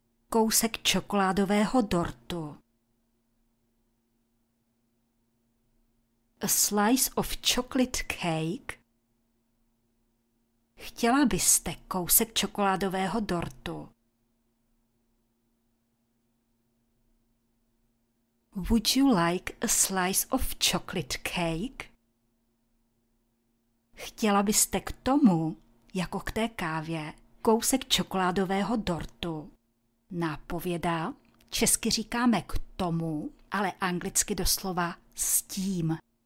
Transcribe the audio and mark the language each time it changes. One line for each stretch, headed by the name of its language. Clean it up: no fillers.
Czech: Kousek čokoládového dortu.
English: A slice of chocolate cake. Chtěla byste kousek čokoládového dortu? Would you like a slice of chocolate cake?
Czech: Chtěla byste k tomu, jako k té kávě, kousek čokoládového dortu? Nápověda. Česky říkáme k tomu, ale anglicky doslova s tím.